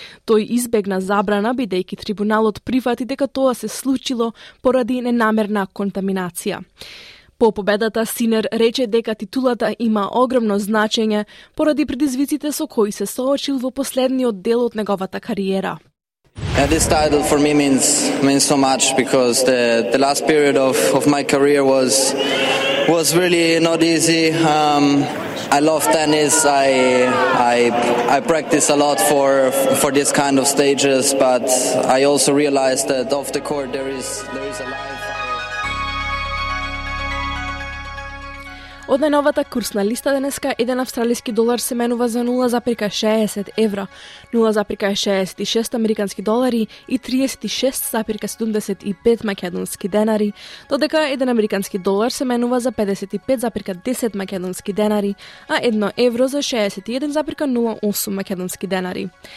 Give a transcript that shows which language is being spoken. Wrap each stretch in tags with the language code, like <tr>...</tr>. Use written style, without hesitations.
<mk>Тој избегна забрана, бидејќи трибуналот прифати дека тоа се случило поради ненамерна контаминација. По победата, Синер рече дека титулата има огромно значење поради предизвиците со кои се соочил во последниот дел од неговата кариера.</mk> <en>Yeah, this title for me means so much because the last period of my career was really not easy. I love tennis. I practice a lot for this kind of stages, but I also realized that off the court there is a life.</en> <mk>Од најновата курсна листа денеска, еден австралијски долар се менува за 0,60 евро, 0,66 американски долари и 36,75 македонски денари, додека еден американски долар се менува за 55,10 македонски денари, а 1 евро за 61,08 македонски денари.</mk>